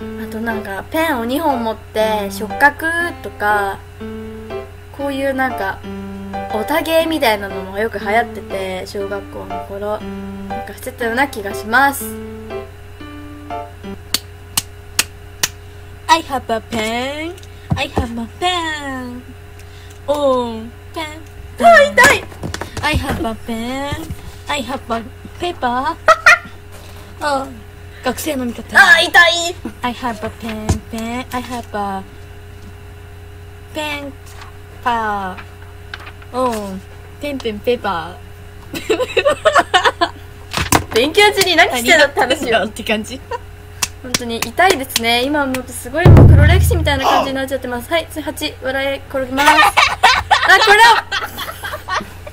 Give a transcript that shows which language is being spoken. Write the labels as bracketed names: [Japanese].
[Japanese] なんかペンを2本持って触覚とか、こういうなんかおたげみたいなのもよく流行ってて、小学校の頃なんかしてたような気がします。 [English] I have a pen, I have a pen, oh pen, pen. [Japanese] 痛い。 [English] I have a pen, I have a paper. [Japanese] 学生の味方。ああ、痛い。 [English] I have a pen, pen, I have a pen, pa, oh, pen, pen, paper. [Japanese] 勉強中に何してたって話よって感じ。本当に痛いですね。今もすごいもう黒歴史みたいな感じになっちゃってます。はい、次8、笑い転げます。あ、これを。